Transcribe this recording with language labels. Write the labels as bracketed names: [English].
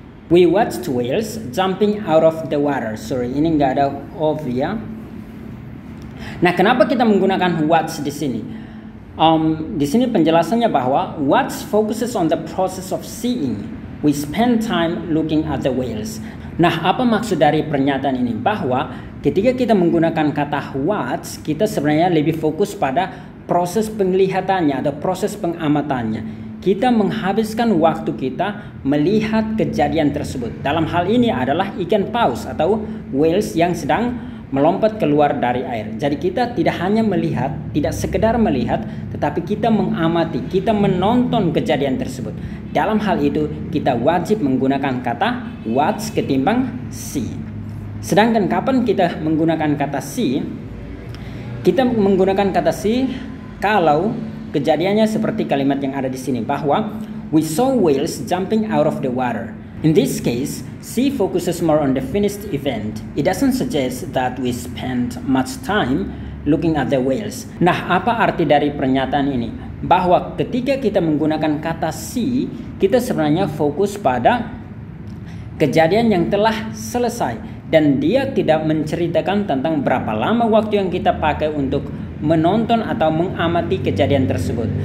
[English] We watched whales jumping out of the water. [Indonesian] Sorry, ini nggak ada of, ya. Nah, kenapa kita menggunakan watch di sini? Di sini penjelasannya bahwa [English] watch focuses on the process of seeing. We spend time looking at the whales. [Indonesian] Nah, apa maksud dari pernyataan ini? Bahwa ketika kita menggunakan kata watch, kita sebenarnya lebih fokus pada proses penglihatannya atau proses pengamatannya. Kita menghabiskan waktu kita melihat kejadian tersebut. Dalam hal ini adalah ikan paus atau whales yang sedang melompat keluar dari air. Jadi kita tidak hanya melihat, tidak sekedar melihat, tetapi kita mengamati, kita menonton kejadian tersebut. Dalam hal itu, kita wajib menggunakan kata watch ketimbang see. Sedangkan kapan kita menggunakan kata see? Kita menggunakan kata see kalau kejadiannya seperti kalimat yang ada di sini, bahwa [English] we saw whales jumping out of the water. In this case, see focuses more on the finished event. It doesn't suggest that we spent much time looking at the whales. [Indonesian] Nah, apa arti dari pernyataan ini? Bahwa ketika kita menggunakan kata see, kita sebenarnya fokus pada kejadian yang telah selesai. Dan dia tidak menceritakan tentang berapa lama waktu yang kita pakai untuk menonton atau mengamati kejadian tersebut.